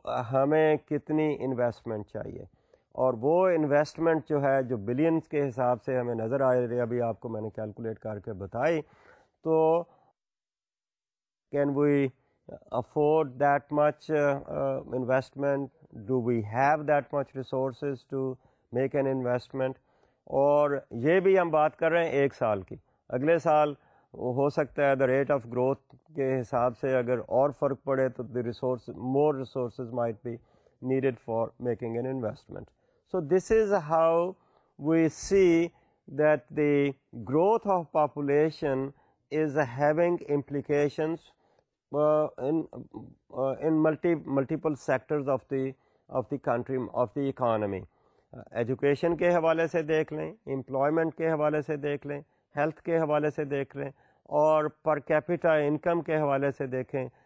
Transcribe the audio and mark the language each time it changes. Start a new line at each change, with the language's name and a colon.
Urdu: ہمیں کتنی انویسٹمنٹ چاہیے، اور وہ انویسٹمنٹ جو ہے جو بلینس کے حساب سے ہمیں نظر آ رہی ہے ابھی آپ کو میں نے کیلکولیٹ کر کے بتائی، تو
English: Can we afford that much investment, do we have that much resources to make an investment.
Urdu: اور یہ بھی ہم بات کر رہے ہیں ایک سال کی، اگلے سال ہو سکتا ہے دا ریٹ آف گروتھ کے حساب سے اگر اور فرق پڑے تو
English: The resource more resources might be needed for making an investment. So this is how we see that the growth of population is having implications in multiple sectors of the country of the economy.
Urdu: Education کے حوالے سے دیکھ لیں، employment کے حوالے سے دیکھ لیں، ہیلتھ کے حوالے سے دیکھ لیں، اور پر کیپیٹا انکم کے حوالے سے دیکھیں.